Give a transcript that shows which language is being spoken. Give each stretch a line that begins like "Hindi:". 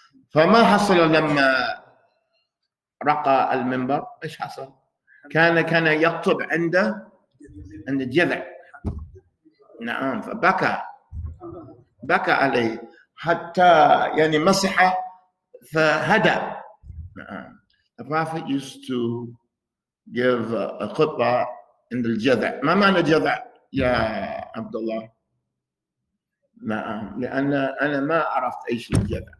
Arabic: فما حصل لما رقى المنبر؟ إيش حصل؟ كان يخطب عند الجذع. نعم فبكى عليه حتى يعني مسح فهدأ. نعم.
English: The prophet used to give a khutbah in the jadha.
Arabic: ما معنى جذع يا عبد الله؟ نعم لأن أنا ما عرفت إيش الجذع.